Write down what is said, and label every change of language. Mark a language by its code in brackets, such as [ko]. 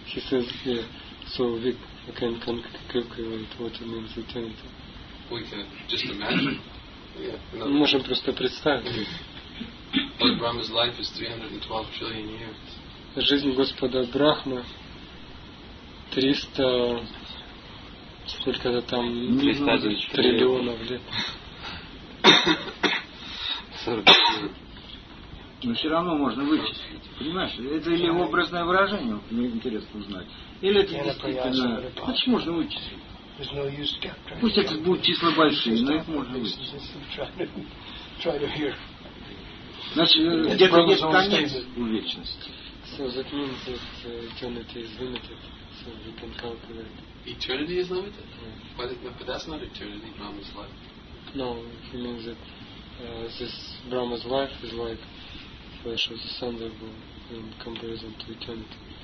[en] He says, so we can calculate what means eternity. We can just imagine. [ru] Yeah, мы можем просто представить. [en] Brahma's life is 312 trillion years. [ru] Жизнь Господа Брахмы 300 сколько-то там триллионов лет. Но все равно можно вычислить. Понимаешь, это или образное выражение, мне интересно узнать. Или это действительно... Почему можно вычислить? [en] There's no use to get pregnant. [ru] Пусть это будут числа большие, но их можно вычислить. Значит, где-то есть конец у вечности. [en] So that means that eternity is limited, so we can calculate. Eternity is limited? Yeah. But that's not eternity, Brahma's life. No, he means that this Brahma's life is like flash of the thunderbolt in comparison to eternity.